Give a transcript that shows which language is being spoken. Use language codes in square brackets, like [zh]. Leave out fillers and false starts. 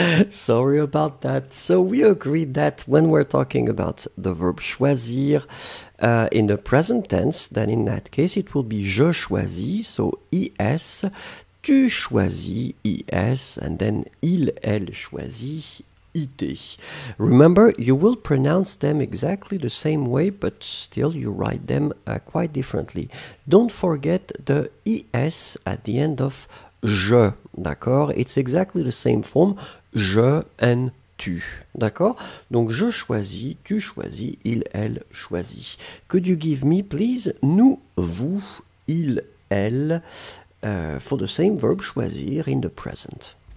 [en] Sorry about that. So we agreed that when we're talking about the verb choisir in the present tense, then in that case it will be [fr] je choisis, [en] so ES, [fr] tu choisis, [en] ES, and then [fr] il, elle choisit, [en] IT. Remember, you will pronounce them exactly the same way, but still you write them quite differently. Don't forget the ES at the end of je, d'accord? It's exactly the same form, je and tu, d'accord? [fr] Donc je choisis, tu choisis, il, elle choisit. [en] Could you give me, please, nous, vous, il, elle, for the same verb choisir in the present?